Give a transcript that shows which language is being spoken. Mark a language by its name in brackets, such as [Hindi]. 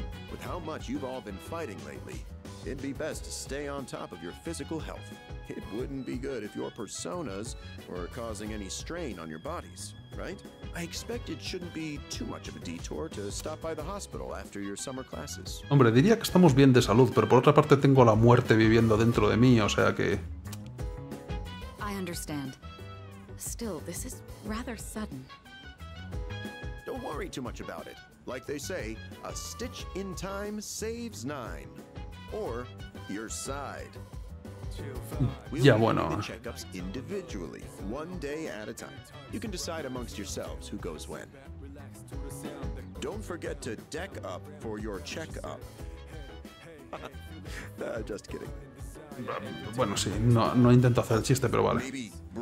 [English] With how much you've all been fighting lately, it'd be best to stay on top of your physical health. It wouldn't be good if your personas were causing any strain on your bodies. Right? I expect it shouldn't be too much of a detour to stop by the hospital after your summer classes. [Spanish] Hombre, diría que estamos bien de salud, pero por otra parte tengo la muerte viviendo dentro de mí, o sea que... [English] I understand. Still, this is rather sudden. Don't worry too much about it. Like they say, a stitch in time saves nine. Or your side. [Spanish] Ya bueno. [English] Checkups individually, one day at a time. You can decide amongst yourselves who goes when. Don't forget to deck up for your checkup. Just kidding. [Spanish] Bueno, sí, no intento hacer el chiste, pero vale.